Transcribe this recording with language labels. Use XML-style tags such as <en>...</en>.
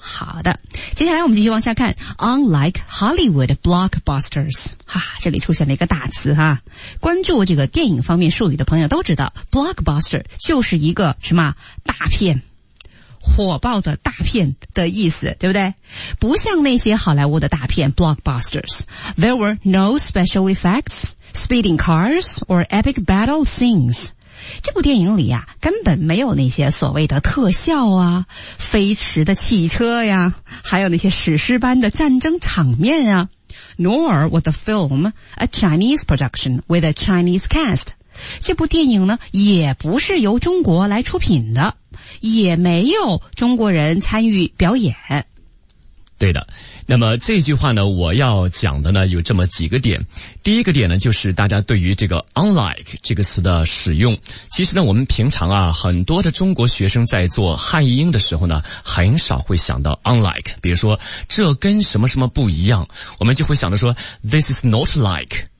<zh>好的，接下来我们继续往下看。</zh> <en>Unlike Hollywood blockbusters，</en> <zh>哈，这里出现了一个大词哈。关注这个电影方面术语的朋友都知道 ，blockbuster 就是一个什么大片。火爆的大片的意思，对不对？不像那些好莱坞的大片</zh> <en>blockbusters， there were no special effects， speeding cars or epic battle scenes。</en> <zh>这部电影里啊，根本没有那些所谓的特效啊，飞驰的汽车呀，还有那些史诗般的战争场面啊。</zh> <en>Nor was the film a Chinese production with a Chinese cast。</en> <zh>这部电影呢，也不是由中国来出品的，也没有中国人参与表演。对的。那么这句话呢，我要讲的呢有这么几个点。第一个点呢，就是大家对于这个 unlike 这个词的使用，其实呢我们平常啊，很多的中国学生在做汉译英的时候呢，很少会想到 unlike， 比如说这跟什么什么不一样，我们就会想着说</zh> <en>this is not like。</en>